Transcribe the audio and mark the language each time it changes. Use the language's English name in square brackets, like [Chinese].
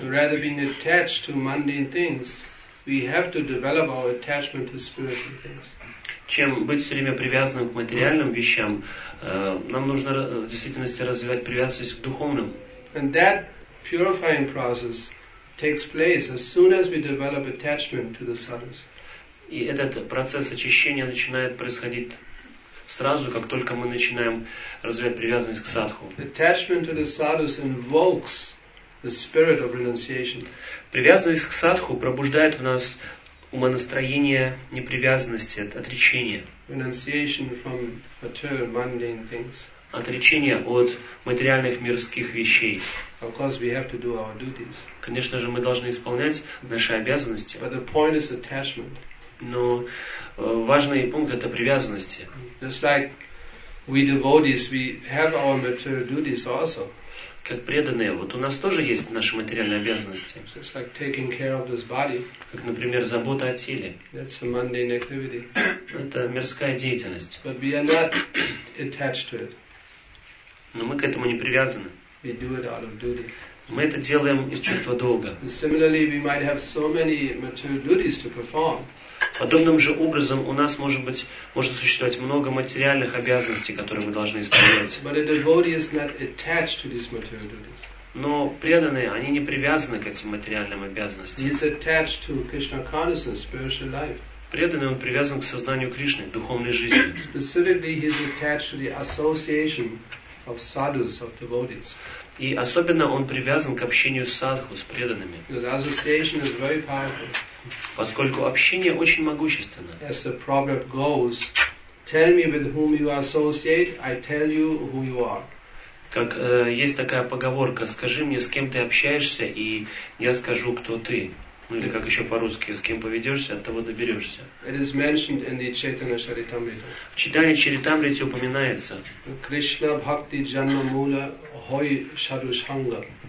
[English] Rather being attached to mundane things, we have to develop our attachment to spiritual things. [Russian] Чем быть все время привязанным к материальным вещам, нам нужно в действительности развивать привязанность к духовным. [English] And that purifying process takes place as soon as we develop attachment to the sadhus. [Russian] И этот процесс очищения начинает происходить сразу, как только мы начинаем развивать привязанность к садху. [English] Attachment to the sadhus invokes the spirit of renunciation. [Russian] Привязанность к садху пробуждает в нас умонастроение непривязанности, отречения. [English] Renunciation from material mundane things. [Russian] Отречение от материальных мирских вещей. [English] Of course we have to do our duties. [Russian] Конечно же, мы должны исполнять наши обязанности. [English] But the point is attachment. [Russian] Но важный пункт – это привязанности. [English] Just like we devotees, we have our material duties also. [Russian] Как преданные, вот у нас тоже есть наши материальные обязанности. [English] So it's like taking care of this body. [Russian] Как, например, забота о теле. [English] That's a mundane activity. [Russian] Это мирская деятельность. [English] But we are not attached to it. [Russian] Но мы к этому не привязаны. [English] We do it out of duty. [Russian] Мы это делаем из чувства долга. [English] Similarly, we might have so many material duties to perform. [Russian] Подобным же образом у нас может существовать много материальных обязанностей, которые мы должны исполнять. [English] But a devotee is not attached to these material duties. [Russian] Но преданные, они не привязаны к этим материальным обязанностям. [English] He is attached to Krishna consciousness, spiritual life. [Russian] Преданный, он привязан к сознанию Кришны, духовной жизни. [English] Specifically, he is attached to the association of sadhus, of devotees. [Russian] И особенно он привязан к общению с садху, с преданными. [English] Because association is very powerful. [Russian] Поскольку общение очень могущественно. [English] As the proverb goes, tell me with whom you associate, I tell you who you are. [Russian] Как есть такая поговорка, скажи мне, с кем ты общаешься, и я скажу, кто ты. Ну или как еще по-русски, с кем поведешься, от того доберешься. [English] It is mentioned in the Chaitanya Charitamrita. [Russian] В Читании Чаритамрите упоминается. [Bangla] Krishna bhakti janma mula hoy shadushanga.